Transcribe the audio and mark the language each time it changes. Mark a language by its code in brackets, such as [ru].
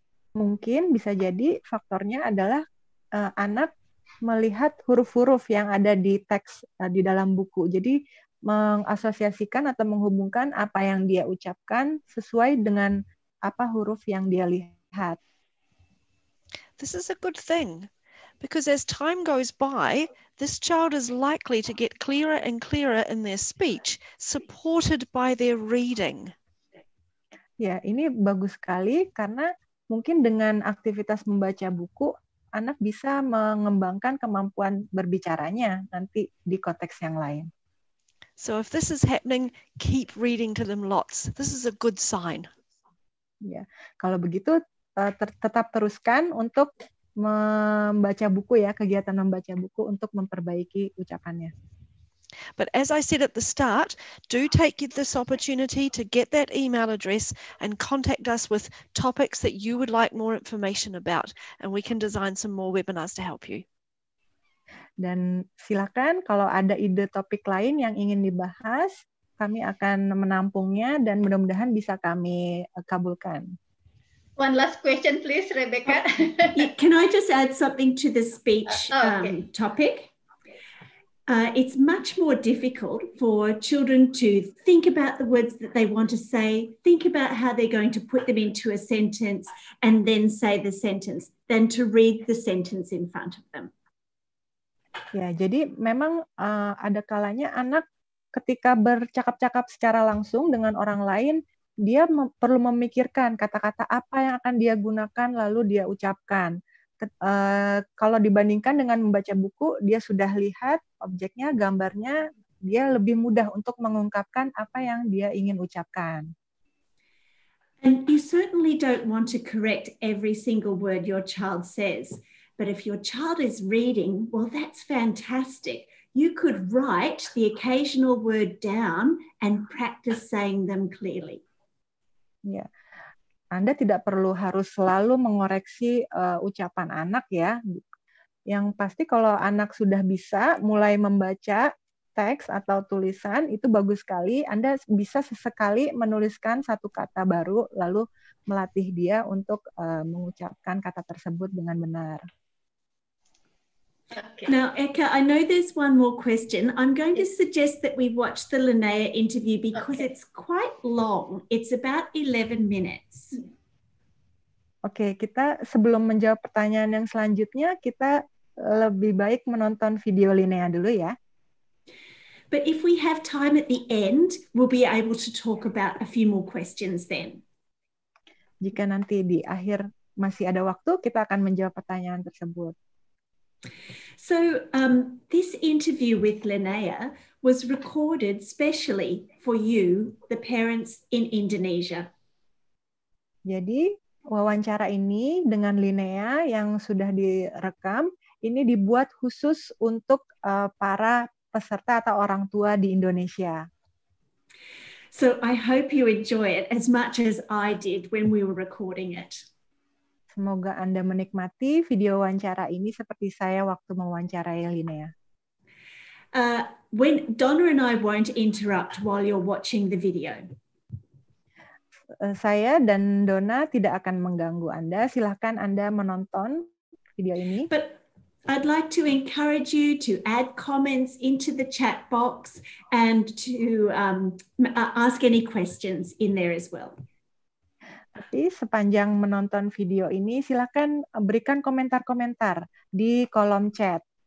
[id] Mungkin bisa jadi faktornya adalah anak melihat huruf-huruf yang ada di teks di dalam buku. Jadi mengasosiasikan atau menghubungkan apa yang dia ucapkan sesuai dengan apa huruf yang dia lihat. [en] This is a good thing. Because as time goes by, this child is likely to get clearer and clearer in their speech, supported by their reading. [id] Ya, ini bagus sekali karena mungkin dengan aktivitas membaca buku, anak bisa mengembangkan kemampuan berbicaranya nanti di konteks yang lain. [en] So if this is happening, keep reading to them lots. This is a good sign. [id] Ya, kalau begitu tetap teruskan untuk membaca buku ya, kegiatan membaca buku untuk memperbaiki ucapannya. [en] But as I said at the start, do take this opportunity to get that email address and contact us with topics that you would like more information about, and we can design some more webinars to help you. [id] Dan silakan kalau ada ide topik lain yang ingin dibahas, kami akan menampungnya dan mudah-mudahan bisa kami kabulkan. [en] One last question, please, Rebecca. Can I just add something to the speech topic? It's much more difficult for children to think about the words that they want to say, think about how they're going to put them into a sentence, and then say the sentence, than to read the sentence in front of them. [id] Ya, jadi memang ada kalanya anak ketika bercakap-cakap secara langsung dengan orang lain, dia perlu memikirkan kata-kata apa yang akan dia gunakan lalu dia ucapkan. Kalau dibandingkan dengan membaca buku, dia sudah lihat objeknya, gambarnya, dia lebih mudah untuk mengungkapkan apa yang dia ingin ucapkan. [en] And you certainly don't want to correct every single word your child says. But if your child is reading, well, that's fantastic. You could write the occasional word down and practice saying them clearly. [id] Ya, Anda tidak perlu harus selalu mengoreksi ucapan anak ya. Yang pasti kalau anak sudah bisa mulai membaca teks atau tulisan, itu bagus sekali. Anda bisa sesekali menuliskan satu kata baru, lalu melatih dia untuk mengucapkan kata tersebut dengan benar. [en] Okay. Now, Eka, I know there's one more question. I'm going to suggest that we watch the Linnea interview because it's quite long. It's about 11 minutes. [id] Okay, kita sebelum menjawab pertanyaan yang selanjutnya, kita lebih baik menonton video Linnea dulu ya. [en] But if we have time at the end, we'll be able to talk about a few more questions then. [id] Jika nanti di akhir masih ada waktu, kita akan menjawab pertanyaan tersebut. [en] So this interview with Linnea was recorded specially for you, the parents in Indonesia. [id] Jadi wawancara ini dengan Linnea yang sudah direkam, ini dibuat khusus untuk para peserta atau orang tua di Indonesia. [en] So I hope you enjoy it as much as I did when we were recording it. [id] Semoga Anda menikmati video wawancara ini seperti saya waktu mewawancarai Linnea. [en] When Donna and I won't interrupt while you're watching the video. [id] Saya dan Donna tidak akan mengganggu Anda. Silakan Anda menonton video ini. [en] But I'd like to encourage you to add comments into the chat box and to ask any questions in there as well. [id] Tapi sepanjang menonton video ini, silakan berikan komentar-komentar di kolom chat.